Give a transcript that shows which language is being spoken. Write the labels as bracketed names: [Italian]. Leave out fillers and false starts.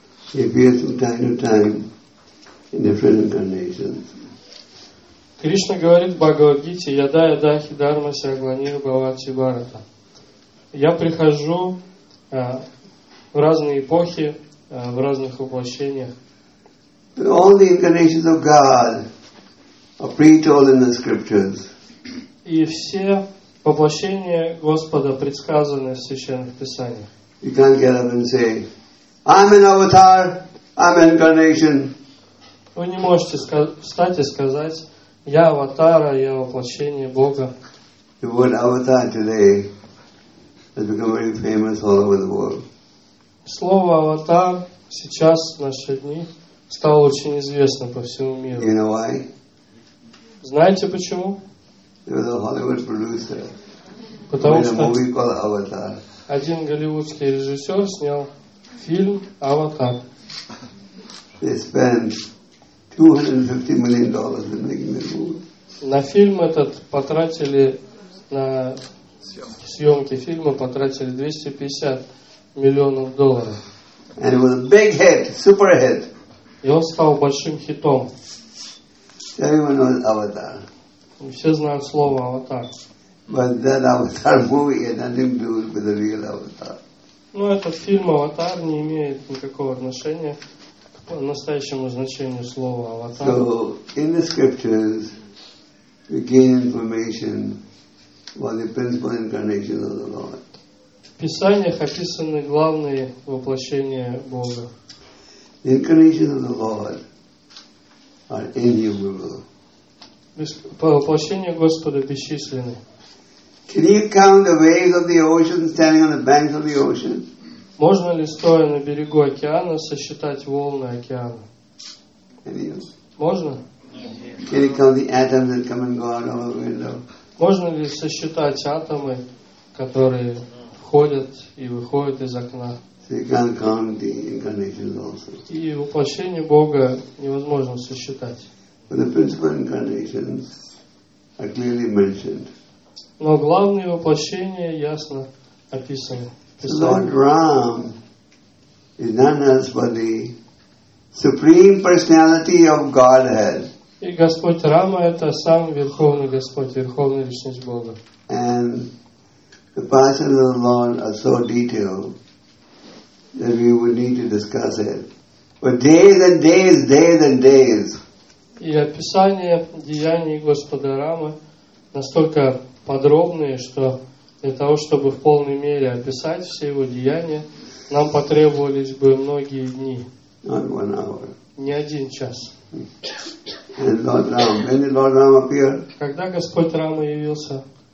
[English] He appears from time to time in different incarnations. [Russian] Krishna говорит в Бхагавад-гите, [Sanskrit] Yada yada hidharma saknami bhavati bharata. [Russian] Я прихожу в разные эпохи, в разных воплощениях. [English] All the incarnations of God are pre-told in the scriptures. [Russian] И все воплощение Господа предсказанное в Священных Писаниях. [English] You can't get up and say, I'm an avatar, I'm an incarnation. [Russian] Вы не можете встать и сказать, я аватар, я воплощение Бога. [English] The word avatar today has become very famous all over the world. [Russian] Слово аватар сейчас, в наши дни, стало очень известно по всему миру. [English] You know why? [Russian] Знаете почему? [English] He was a Hollywood producer. [Russian] Потому [English] made a movie called Avatar. [Russian] Один голливудский режиссер снял фильм «Аватар». [English] They spent $250 million in making the movie. [Russian] На фильм этот потратили, на съемки фильма потратили $250 миллионов. [English] And it was a big hit, super hit. [Russian] И он стал большим хитом. [English] Everyone knows Avatar. [Russian] Все знают слово «аватар». [English] But that avatar movie had nothing to do with the real avatar. [Russian] Но этот фильм «Аватар» не имеет никакого отношения к настоящему значению слова «аватар». [English] So, in the scriptures, we gain information about the principal incarnations of the Lord. [Russian] В Писаниях описаны главные воплощения Бога. [English] The incarnations of the Lord are innumerable. [Russian] Воплощения Господа бесчисленны. [English] Can you count the waves of the ocean standing on the banks of the ocean? [Russian] Можно ли, стоя на берегу океана, сосчитать волны океана? [English] Can you? [Russian] Можно? [English] Can you count the atoms that come and go out of a window? [Russian] Можно ли сосчитать атомы, которые входят и выходят из окна? И воплощение Бога невозможно сосчитать. Но главные воплощения ясно описаны. [English] Lord Ram is none else but the Supreme Personality of Godhead. [Russian] И Господь Рама это сам Верховный Господь, Верховная Личность Бога. [English] And the persons of the Lord are so detailed that we would need to discuss it. But days and days, days and days. [Russian] И описание деяний Господа Рамы настолько подробные, что для того, чтобы в полной мере описать все его деяния, нам потребовались бы многие дни. [English] Not one hour. [Russian] Не один час. [English] And Lord Ram, when did Lord Ram appear? [Russian] Когда Господь Рама явился?